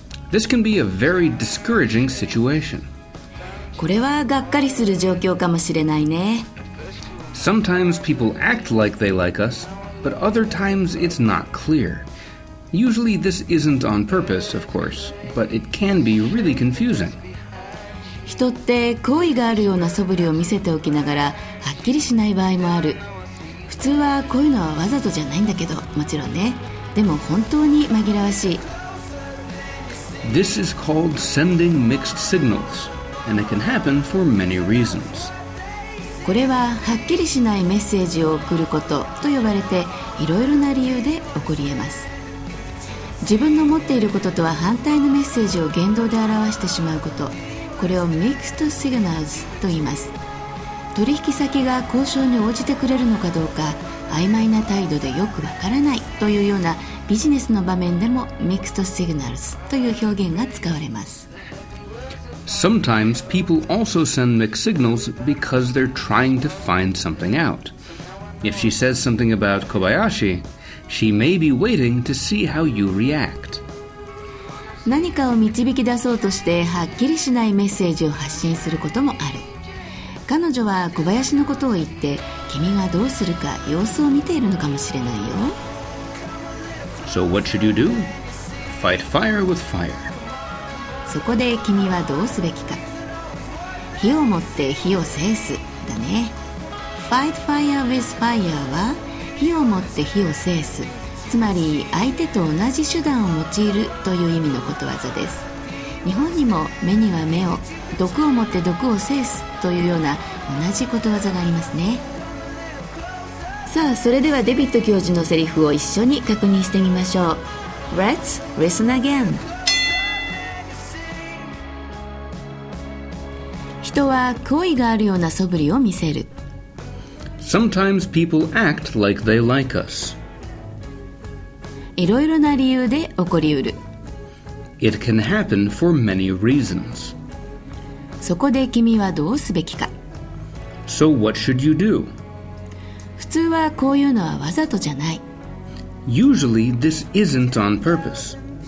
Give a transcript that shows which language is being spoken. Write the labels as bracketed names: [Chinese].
[English] This can be a very discouraging situation. [Japanese] これはがっかりする状況かもしれないね。 [English] Sometimes people act like they like us, but other times it's not clear. Usually this isn't on purpose, of course, but it can be really confusing. [Japanese] 人って好意があるような素振りを見せておきながらはっきりしない場合もある。普通はこういうのはわざとじゃないんだけど、もちろんね。でも本当に紛らわしい。 [English] This is called sending mixed signals, and it can happen for many reasons. [Japanese] これははっきりしないメッセージを送ることと呼ばれて、いろいろな理由で起こり得ます。自分の持っていることとは反対のメッセージを言動で表してしまうこと、これを Mixed Signals と言います。取引先が交渉に応じてくれるのかどうか、曖昧な態度でよくわからないというようなビジネスの場面でも Mixed Signals という表現が使われます。 [English] Sometimes people also send mixed signals because they're trying to find something out. If she says something about Kobayashi, she may be waiting to see how you react. [Japanese] 何かを導き出そうとしてはっきりしないメッセージを発信することもある。彼女は小林のことを言って、君がどうするか様子を見ているのかもしれないよ。 [English] So what should you do? Fight fire with fire. [Japanese] そこで君はどうすべきか。火を持って火を制すだね。 [English] Fight fire with fire [Japanese] は火を持って火を制す、つまり相手と同じ手段を用いるという意味のことわざです。日本にも目には目を、毒を持って毒を制すというような同じことわざがありますね。さあ、それではデビット教授のセリフを一緒に確認してみましょう。 [English] Let's listen again. [Japanese] 人は好意があるような素振りを見せる。 [English] Sometimes people act like they like us. [Japanese] いろいろな理由で起こりうる。 [English] It can happen for many reasons. [Japanese] そこで君はどうすべきか。 [English] So what should you do? [Japanese] 普通はこういうのはわざとじゃない。 [English] Usually this isn't on purpose.